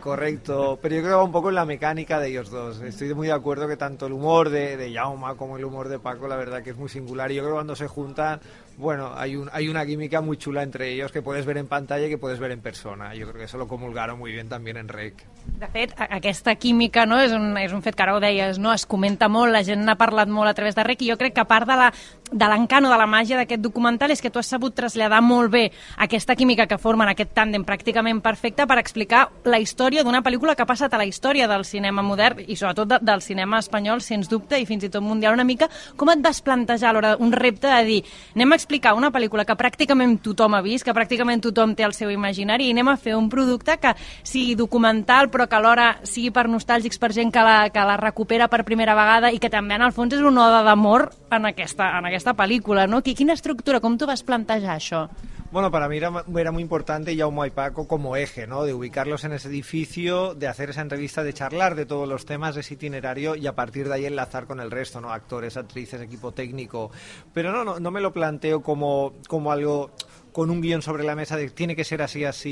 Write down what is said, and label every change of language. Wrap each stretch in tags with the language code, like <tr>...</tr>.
<es>correcto, pero yo creo que va un poco en la mecánica de ellos dos. Estoy muy de acuerdo que tanto el humor de Jaume como el humor de Paco, la verdad que es muy singular, y yo creo que cuando se juntan, bueno, hay una química muy chula entre ellos que puedes ver en pantalla y que puedes ver en persona. Yo creo que eso lo comulgaron muy bien también en REC.</es> <ca>De fet, aquesta química, no, és un fet que ara ho deies, no, es comenta molt, la gent n'ha parlat molt a través de REC, i jo crec que a part de l'encant o de la màgia d'aquest documental és que tu has sabut traslladar molt bé aquesta química que formen, aquest tàndem pràcticament perfecte, per explicar la història d'una pel·lícula que ha passat a la història del cinema modern i sobretot del cinema espanyol, sens dubte, i fins i tot mundial una mica. Com et vas plantejar a l'hora un repte de dir, anem a explicar una pel·lícula que pràcticament tothom ha vist, que pràcticament tothom té el seu imaginari, i anem a fer un producte que sigui documental però que alhora sigui per nostàlgics, per gent que la recupera per primera vegada i que també en el fons és una oda d'amor en aquesta pel·lícula, no? Quina estructura, com t'ho vas plantejar això?</ca> <es>Bueno, para mí era muy importante Jaume y Paco como eje, ¿no? De ubicarlos en ese edificio, de hacer esa entrevista, de charlar de todos los temas, de ese itinerario y a partir de ahí enlazar con el resto, ¿no? Actores, actrices, equipo técnico. Pero no me lo planteo como algo con un guión sobre la mesa de tiene que ser así.</es>